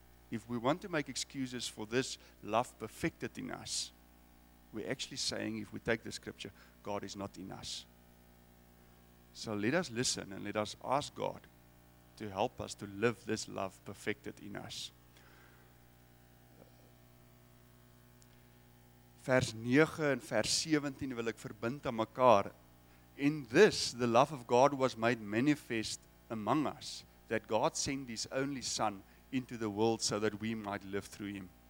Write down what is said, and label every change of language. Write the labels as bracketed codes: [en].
[en] If we want to make excuses for this love perfected in us, we're actually saying, if we take the scripture, God is not in us. So let us listen and let us ask God to help us to live this love perfected in us. [af] Vers 9 en vers 17 wil ek verbind aan mekaar. [en] In this, the love of God was made manifest among us, that God sent his only son into the world so that we might live through him.